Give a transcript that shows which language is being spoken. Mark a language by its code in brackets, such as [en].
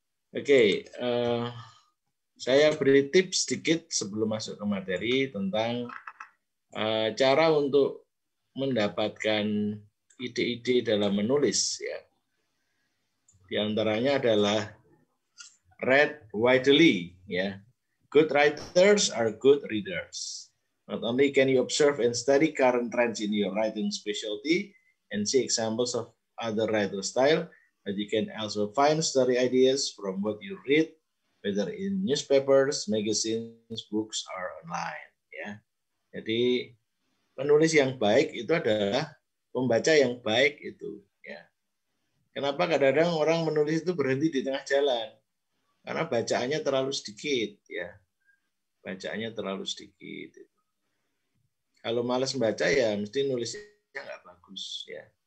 [id] Oke, saya beri tips sedikit sebelum masuk ke materi tentang cara untuk mendapatkan ide-ide dalam menulis ya. Di antaranya adalah [en] read widely [id] ya. [en] Good writers are good readers. Not only can you observe and study current trends in your writing specialty and see examples of other writer style, but you can also find story ideas from what you read, whether in newspapers, magazines, books, or online. [id] Ya. Jadi penulis yang baik itu adalah pembaca yang baik itu. Ya. Kenapa kadang-kadang orang menulis itu berhenti di tengah jalan? Karena bacaannya terlalu sedikit. Ya. Bacaannya terlalu sedikit. Kalau malas baca ya mesti nulisnya nggak bagus ya.